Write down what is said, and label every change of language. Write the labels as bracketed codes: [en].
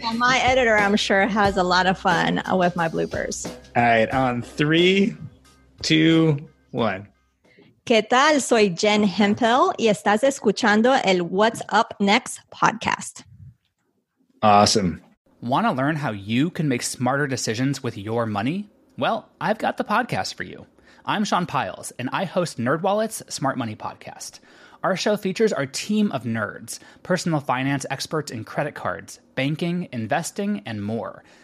[en] Well, my editor, I'm sure, has a lot of fun with my bloopers. All right. On 3, 2, 1. [es] ¿Qué tal? Soy Jen Hemphill y estás escuchando el What's Up Next podcast. [en] Awesome. Want to learn how you can make smarter decisions with your money? Well, I've got the podcast for you. I'm Sean Piles, and I host NerdWallet's Smart Money Podcast. Our show features our team of nerds, personal finance experts in credit cards, banking, investing, and more.